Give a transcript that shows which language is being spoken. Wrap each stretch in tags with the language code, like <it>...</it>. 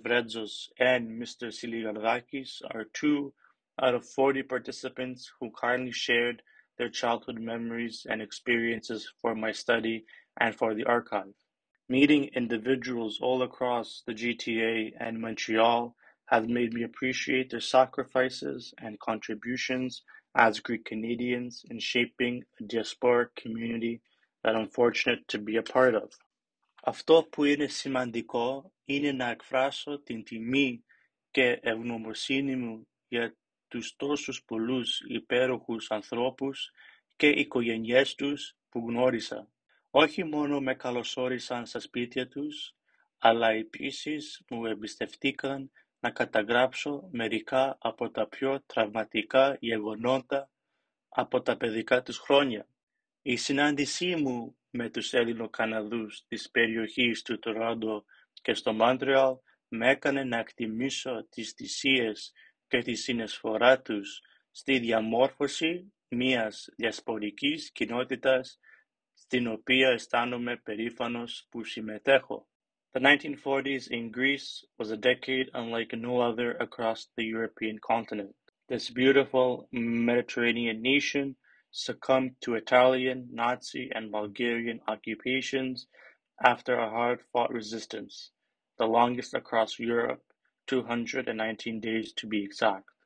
<en>Vredzos and Mr. Siligardakis are two out of 40 participants who kindly shared their childhood memories and experiences for my study and for the archive. Meeting individuals all across the GTA and Montreal has made me appreciate their sacrifices and contributions as Greek Canadians in shaping a diasporic community that I'm fortunate to be a part of.</en> <el>Αυτό που είναι σημαντικό είναι να εκφράσω την τιμή και ευγνωμοσύνη μου για τους τόσους πολλούς υπέροχους ανθρώπους και οικογένειές τους που γνώρισα. Όχι μόνο με καλωσόρισαν στα σπίτια τους, αλλά επίσης μου εμπιστευτήκαν να καταγράψω μερικά από τα πιο τραυματικά γεγονότα από τα παιδικά τους χρόνια. Η συνάντησή μου με τους Έλληνο-Καναδούς της περιοχής του Τορόντο και στο Μόντρεαλ με έκανε να εκτιμήσω τις θυσίες και τη συνεισφορά τους στη διαμόρφωση μιας διασπορικής κοινότητας στην οποία αισθάνομαι περήφανος που συμμετέχω.</el> <en>The 1940s in Greece was a decade unlike no other across the European continent. This beautiful Mediterranean nation succumbed to Italian, Nazi, and Bulgarian occupations after a hard-fought resistance, the longest across Europe, 219 days to be exact.</en>